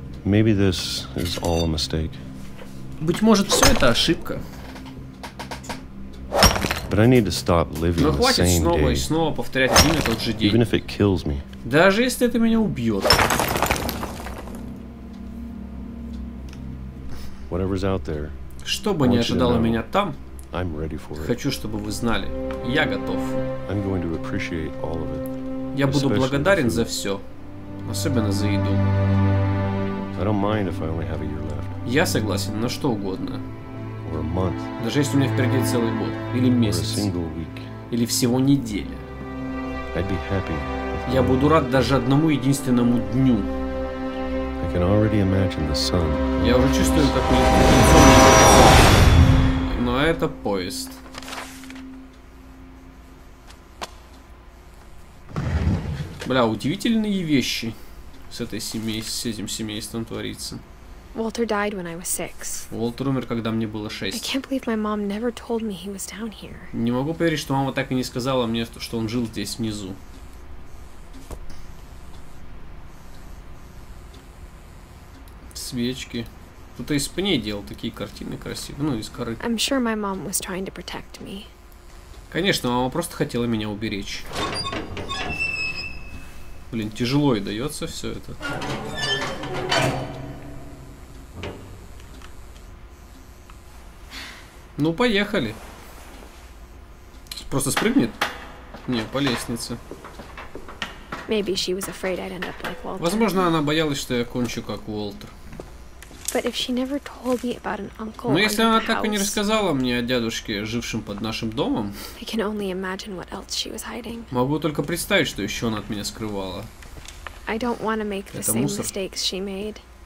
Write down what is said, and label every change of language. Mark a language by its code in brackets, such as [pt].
[en] Maybe this is all a mistake. [ru] Быть может, все это ошибка. [en] But I need to stop living [ru] Но хватит [en] the same [ru] снова [en] day. [ru] И снова повторять один и тот же день. [en] Even if it kills me. [ru] Даже если это меня убьет. [en] Whatever's out there, [ru] что бы не ожидало меня там, [en] I'm ready for it. [ru] Хочу, чтобы вы знали. Я готов. [en] I'm going to appreciate all of it. [ru] Я буду благодарен за все. Особенно за еду. [en] I don't mind if I only have a year left. [ru] Я согласен на что угодно. [en] Or a month. [ru] Даже если у меня впереди целый год. Или месяц. [en] Or a single week. [ru] Или всего неделя. [en] I'd be happy if [ru] Я буду рад даже одному единственному дню. I can already imagine the sun. Я уже чувствую, как мне... Но это поезд. Бля, удивительные вещи. С этой семьей, с этим семейством творится. [en] Walter died when I was six. [ru] Walter умер, когда мне было 6. [en] I can't believe my mom never told me he was down here. [ru] Не могу поверить, что мама так и не сказала мне, что он жил здесь внизу. Свечки. Кто-то из пней делал такие картины красивые, ну из коры. [en] I'm sure my mom was trying to protect me. [ru] Конечно, мама просто хотела меня уберечь. Блин, тяжело и дается все это. Ну, поехали. Просто спрыгнет? Не, по лестнице. [en] Maybe she was afraid I'd end up like Walter. [ru] Возможно, она боялась, что я кончу как Уолтер. [en] But if she never told me about an uncle [ru] Но если она так и не рассказала мне о дядушке, жившем под нашим домом, [en] I can only imagine what else she was hiding. [ru] Могу только представить, что еще она от меня скрывала. [en] I don't want to make the same mistakes she made.